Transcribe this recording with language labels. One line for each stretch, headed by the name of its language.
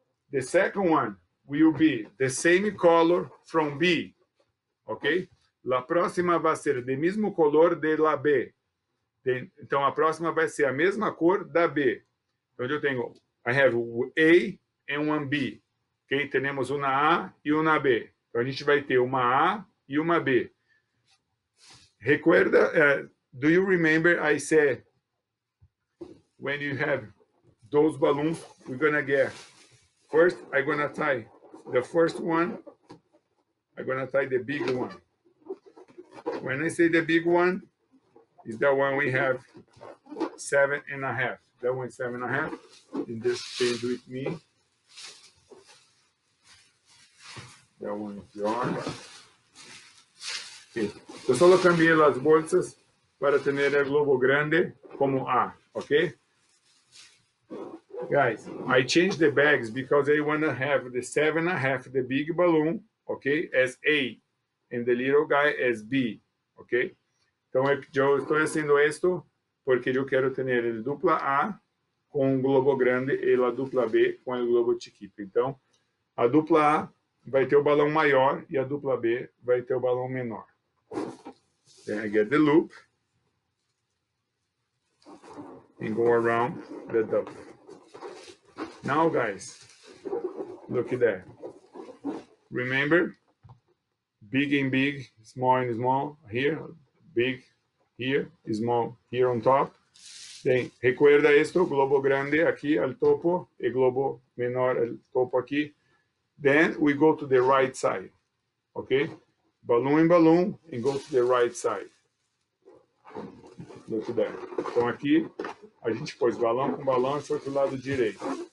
English: The second one will be the same color from B, ok?
Portuguese: La próxima vai ser de mesmo color de la B. Então, a próxima vai ser a mesma cor da B. Então, eu tenho,
English: I have A and one B, ok?
Portuguese: Temos uma A e uma B. Então, a gente vai ter uma A e uma B.
English: Recuerda, do you remember I said, when you have those balloons, we're going to get... First, I'm going to tie the first one. I'm going to tie the big one. When I say the big one, is that one we have 7 and a half. That one 7 and a half. In this change with me. That one is yours. Okay.
Portuguese: Eu solo cambiei as bolsas para ter o globo grande como A, ok?
English: Guys, I changed the bags because I want to have the 7 and a half, the big balloon, okay, as A, and the little guy as B, okay?
Portuguese: Então, eu estou fazendo isso porque eu quero ter a dupla A com o globo grande e a dupla B com o globo chiquito. Então, a dupla A vai ter o balão maior e a dupla B vai ter o balão menor.
English: Then I get the loop and go around the duplet. Now, guys, look at that. Remember, big and big, small and small here, big here, small here on top.
Spanish: Then, recuerda esto, globo grande aquí al topo y globo menor al topo aquí.
English: Then we go to the right side, okay? Balloon in balloon and go to the right side. Look at that.
Portuguese: Então aqui, a gente pôs balão com balão e foi pro lado direito.